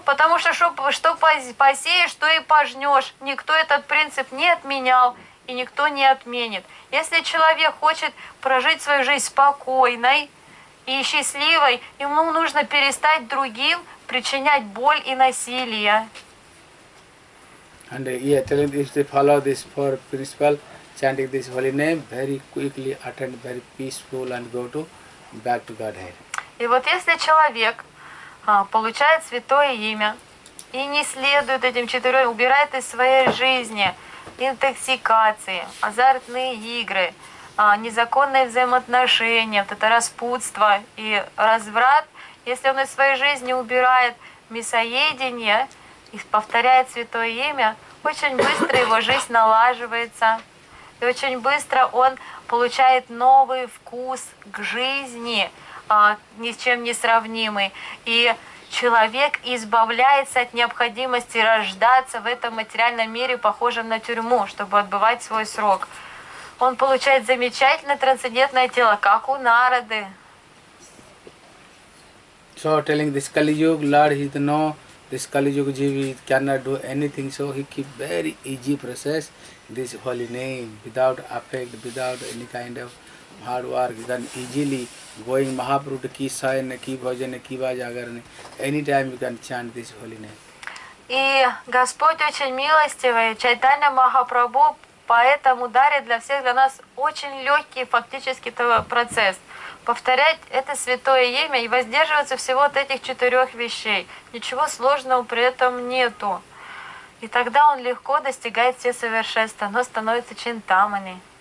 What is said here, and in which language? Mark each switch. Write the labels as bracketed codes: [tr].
[ru] Потому что что посеешь, то и пожнешь. Никто этот принцип не отменял и никто не отменит. Если человек хочет прожить свою жизнь спокойной и счастливой, ему нужно перестать другим причинять боль и насилие. [en] And yeah, telling if they follow this four principle, chanting this holy name, very quickly attend very peaceful and go to back to Godhead. [ru] И вот если человек получает святое имя и не следует этим четырем, убирает из своей жизни интоксикации, азартные игры, незаконные взаимоотношения, вот это распутство и разврат, если он из своей жизни убирает мясоедение и повторяет святое имя, очень быстро его жизнь налаживается, и очень быстро он получает новый вкус к жизни, ни с чем не сравнимый, и человек избавляется от необходимости рождаться в этом материальном мире, похожем на тюрьму, чтобы отбывать свой срок. Он получает замечательное трансцендентное тело, как у Нарады. [en] So telling this Kali Yuga, Lord, he don't know this Kali Yuga Jeevi cannot do anything, so he keep very easy process this holy name without affect, without any kind of hard work, then easily going [hi] Mahaprabhu ki sahay ne ki bhajan ne ki bajagarne, [en] any time you can chant this holy name. [ru] И Господь очень милостивый, Чайтанья Махапрабху. Поэтому дарит для всех, для нас очень легкий фактически процесс. Повторять это святое имя и воздерживаться всего от этих четырех вещей. Ничего сложного при этом нету. И тогда он легко достигает все совершенства, но становится чинтамани.